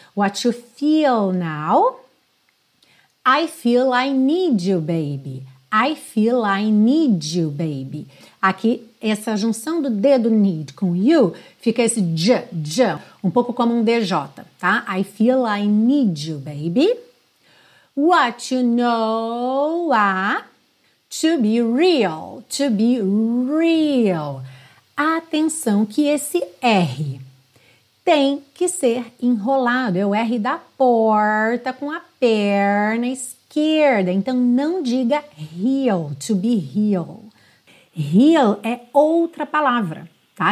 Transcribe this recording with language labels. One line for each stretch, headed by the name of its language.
English: What you feel now? I feel I need you, baby. I feel I need you, baby.
Portuguese: Aqui, essa junção do dedo need com you, fica esse j, j, um pouco como um dj, tá?
English: I feel I need you, baby. What you know, To be real, to be real.
Portuguese: Atenção que esse R tem que ser enrolado. É o R da porta com a perna esquerda. Então, não diga real,
English: to be real.
Portuguese: Real é outra palavra, tá?